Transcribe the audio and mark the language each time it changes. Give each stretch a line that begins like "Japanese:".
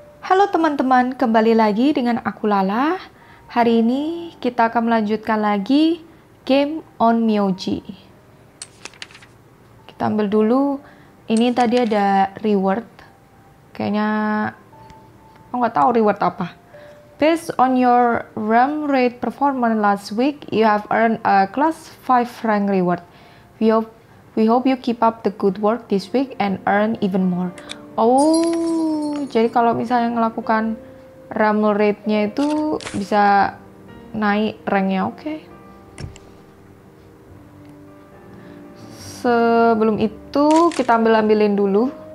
Indonesian: Halo teman-teman, kembali lagi dengan aku Lala. Hari ini kita akan melanjutkan lagi game on Myoji. Kita ambil dulu, ini tadi ada reward. Kayaknya, aku nggak tahu reward apa.
English: Based on your realm raid performance last week, you have earned a class 5 rank reward. We hope you keep up the good work this week and earn even more.
Indonesian: Oh, jadi kalau misalnya melakukan realm raid-nya itu bisa naik rank-nya, oke. Sebelum itu kita ambil-ambilin dulu.